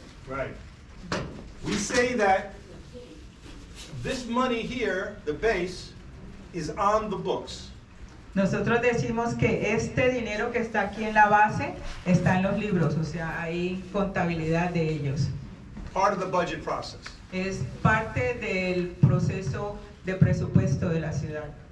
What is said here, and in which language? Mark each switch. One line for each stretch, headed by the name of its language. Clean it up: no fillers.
English: Right. We say that this money here, the base, is on the books.
Spanish: Nosotros decimos que este dinero que está aquí en la base está en los libros, o sea, hay contabilidad de ellos.
English: Part of the budget process.
Spanish: Es parte del proceso de presupuesto de la ciudad.